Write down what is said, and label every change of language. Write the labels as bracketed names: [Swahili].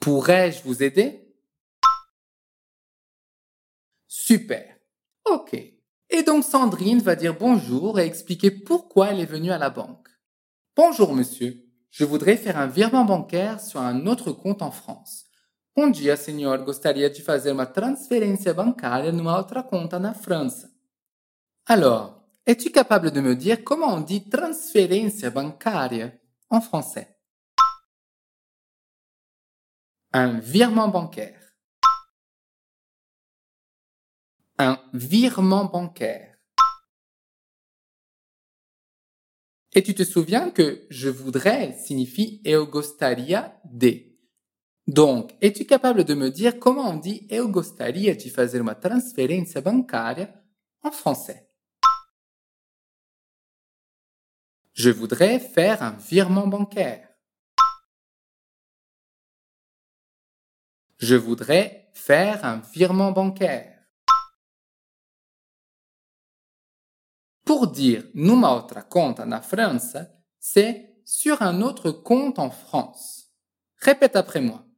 [French] Pourrais-je vous aider ? Super. Ok. Et donc Sandrine va dire bonjour et expliquer pourquoi elle est venue à la banque. Bonjour monsieur, je voudrais faire un virement bancaire sur un autre compte en France. Bonjour, signor. [Portuguese] Gostaria de fazer uma transferência bancária numa outra conta na França. [French] Alors, es-tu capable de me dire comment on dit [Portuguese] transferência bancária [French] en français? Un virement bancaire. Un virement bancaire. Et tu te souviens que je voudrais signifie [Portuguese] eu gostaria de. [French] Donc, es-tu capable de me dire comment on dit « [Portuguese] Eu gostaria de fazer uma transferência bancária [French] » en français ? Je voudrais faire un virement bancaire. Je voudrais faire un virement bancaire. Pour dire « [Portuguese] numa outra conta na França [French] », c'est « sur un autre compte en France ». Répète après moi.